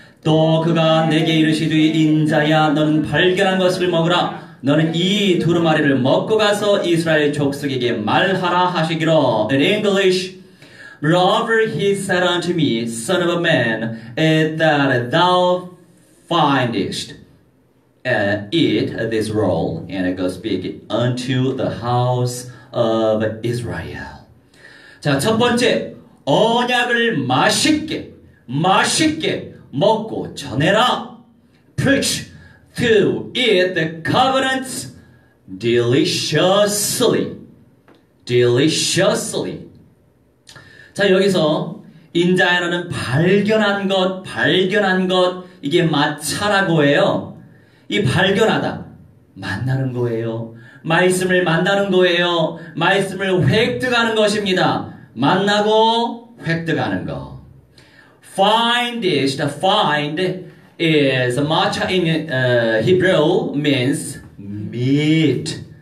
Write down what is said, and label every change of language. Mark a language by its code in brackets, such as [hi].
[ko] 또 그가 내게 이르시되 인자야 너는 발견한 것을 먹으라. 너는 이 두루마리를 먹고 가서 이스라엘 족속에게 말하라 하시기로. [en] In English, Moreover he said unto me, Son of a man, it that thou findest eat this roll, and go speak unto the house of Israel. [ko] 자, 첫 번째, 언약을 맛있게, 맛있게 먹고 전해라. [en] Preach to eat the covenants deliciously. Deliciously. [ko] 자, 여기서 인자야는 발견한 것, 발견한 것, 이게 마차라고 해요. 이 발견하다, 만나는 거예요. 말씀을 만나는 거예요. 말씀을 획득하는 것입니다. 만나고 획득하는 거. [en] Find is the find is matcha in Hebrew means meet.